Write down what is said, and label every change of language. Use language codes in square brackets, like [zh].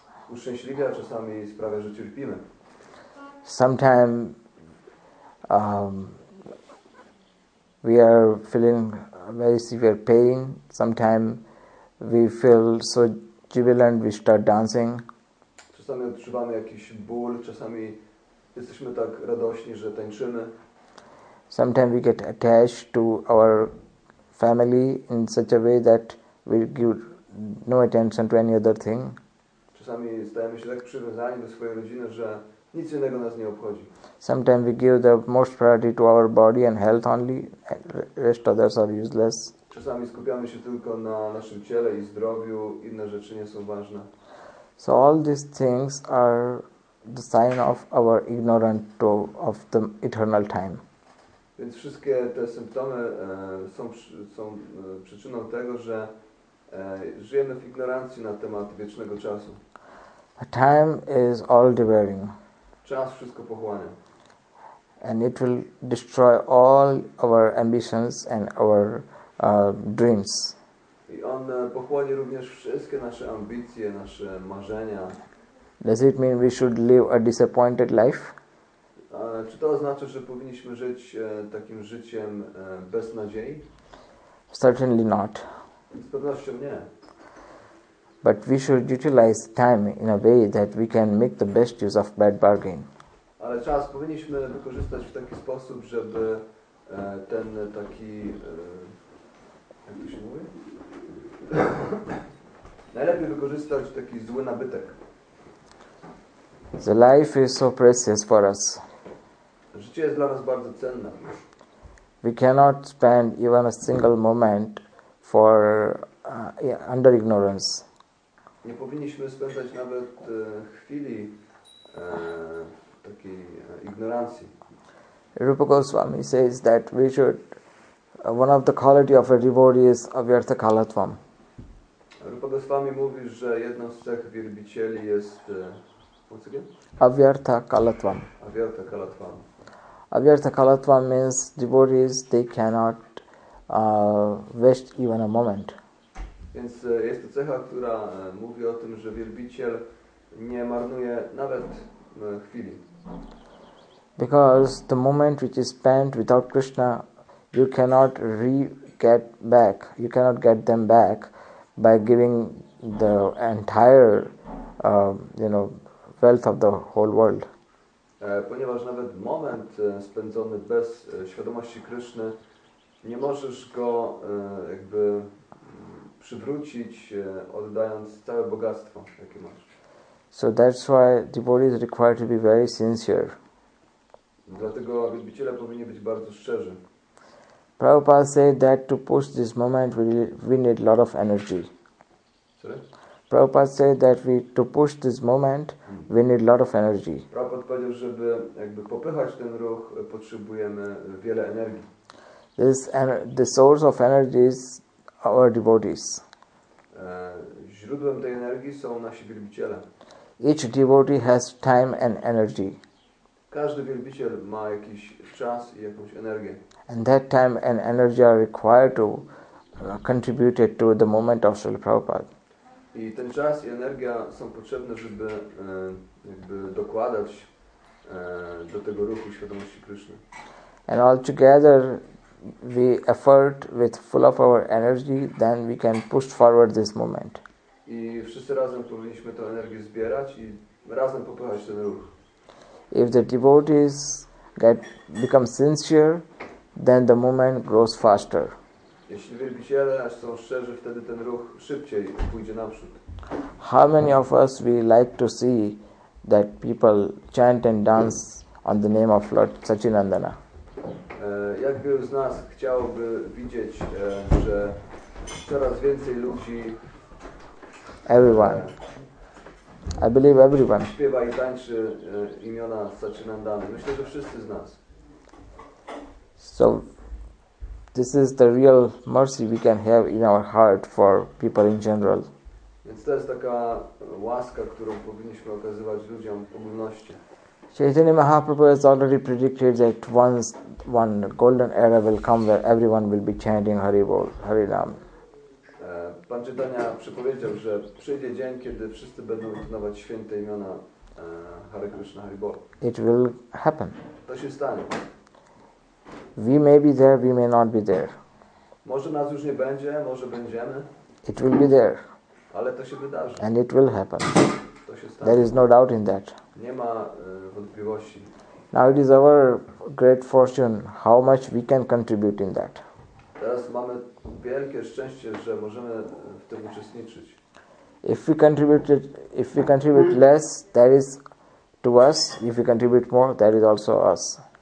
[pl] uszczęśliwi, a czasami sprawia, że cierpimy. [en] Sometimes we are feeling very severe pain. Sometimes we feel so jubilant, we start dancing. [pl] Czasami odczuwamy jakiś ból, czasami jesteśmy tak radośni, że tańczymy. [en] Sometimes we get attached to our family in such a way that we give no attention to any other thing. [pl] Czasami stajemy się tak przywiązani do swojej rodziny, że nic innego nas nie obchodzi. [en] Sometimes we give the most priority to our body and health only, and rest others are useless. [pl] Czasami skupiamy się tylko na naszym ciele i zdrowiu, inne rzeczy nie są ważne. [en] So all these things are the sign of our ignorance of the eternal time. [pl] Więc wszystkie te symptomy są przyczyną tego, że żyjemy w ignorancji na temat wiecznego czasu. [en] A time is all devouring. [pl] Czas wszystko pochłania. [en] And it will destroy all our ambitions and our dreams. [pl] I on pochłonie również wszystkie nasze ambicje, nasze marzenia. [en] Does it mean we should live a disappointed life? [pl] Czy to oznacza, że powinniśmy żyć takim życiem bez nadziei? [en] Certainly not. [pl] Z pewnością nie. [en] But we should utilize time in a way that we can make the best use of bad bargain. [pl] Ale czas powinniśmy wykorzystać w taki sposób, żeby ten taki... jak to się mówi? Najlepiej wykorzystać taki zły nabytek. [en] The life is so precious for us. [pl] Życie jest dla nas bardzo cenne. [en] We cannot spend even a single moment for under ignorance. [pl] Nie powinniśmy spędzać nawet chwili takiej ignorancji. [en] Rupa Goswami says that we should one of the quality of a devotee is avyartha kalatvam. [pl] Rupa Goswami mówi, że jedną z cech wielbicieli jest [sa] avyartha kalatvam. Avyartha kalatvam. [en] Avyartha kalatvam means devotees, they cannot waste even a moment. [pl] Więc jest to cecha, która mówi o tym, że wielbiciel nie marnuje nawet chwili. [en] Because the moment which is spent without Krishna, you cannot get back. You cannot get them back by giving the entire, wealth of the whole world. [pl] Ponieważ nawet moment spędzony bez świadomości Kryszny, nie możesz go jakby przywrócić, oddając całe bogactwo, jakie masz. [en] So that's why devotees require to be very sincere. [pl] Dlatego wielbiciele powinni być bardzo szczerzy. [en] Prabhupada said that to push this moment we need a lot of energy. Sorry? Prabhupada said that to push this moment we need a lot of energy. [pl] Prabhupada powiedział, żeby jakby popychać ten ruch, potrzebujemy wiele energii. [en] This the source of energy is our devotees. [pl] Źródłem tej energii są nasi wielbiciele. [en] Each devotee has time and energy. [pl] Każdy wielbiciel ma jakiś czas i jakąś energię. [en] And that time and energy are required to contribute to the moment of Srila Prabhupada. [pl] I ten czas i energia są potrzebne, żeby dokładać do tego ruchu świadomości Kryszny. [en] And all together we effort with full of our energy, then we can push forward this moment. [pl] I wszyscy razem powinniśmy tę energię zbierać i razem popychać ten ruch. [en] If the devotees become sincere, then the moment grows faster. [pl] Jeśli wielbiciele są szczerzy, wtedy ten ruch szybciej pójdzie naprzód. [en] How many of us we like to see that people chant and dance on the name of Lord Sachinandana? [pl] Jak wielu z nas chciałoby widzieć, że coraz więcej ludzi... [en] Everyone. I believe everyone. [pl] ...śpiewa i tańczy imiona Sachinandana. Myślę, że wszyscy z nas. [en] So... This is the real mercy we can have in our heart for people in general. [pl] Więc to jest taka łaska, którą powinniśmy okazywać ludziom w ogólności. [en] Chaitanya Mahaprabhu has already predicted that once one golden era will come where everyone will be chanting Hari Bol, Hari Ram. [pl] Pan Chaitanya przepowiedział, że przyjdzie dzień, kiedy wszyscy będą wyznawać święte imiona Hare Krishna, Hari Bol. [en] It will happen. [pl] To się stanie. [en] We may be there, we may not be there. [pl] Może nas już nie będzie, może będziemy. [en] It will be there. [pl] Ale to się wydarzy. [en] And it will happen. [pl] To się stanie. [en] There is no doubt in that. [pl] Nie ma wątpliwości. [en] Now it is our great fortune how much we can contribute in that. [pl] Teraz mamy wielkie szczęście, że możemy w tym uczestniczyć. [en] If we contribute less, that is to us. If we contribute more, that is also us.